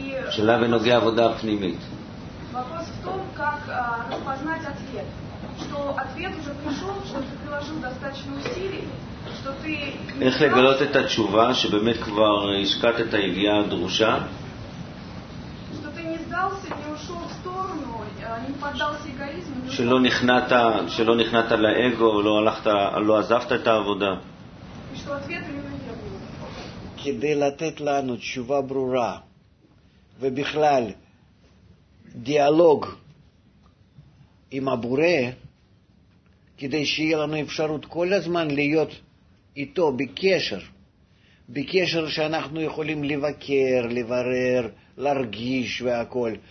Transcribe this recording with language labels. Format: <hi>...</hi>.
<he>שאלה בנוגע עבודה פנימית.</he> <ru>Вопрос в том, как распознать ответ. Что ответ уже пришел, что ты приложил достаточно усилий, что ты...</ru> <he>איך לגלות את התשובה, שבאמת כבר השקעת את הידיעה הדרושה?</he> <ru>Что ты не сдался, не ушел в сторону, не поддался эгоизму.</ru> <he>שלא נכנעת לאגו, לא עזבת את העבודה.</he> <ru>И что ответ именно я был.</ru> <he>כדי לתת לנו תשובה ברורה, ובכלל... דיאלוג עם הבורא, כדי שיהיה לנו אפשרות כל הזמן להיות איתו בקשר, בקשר שאנחנו יכולים לבקר, לברר, להרגיש והכל.</he>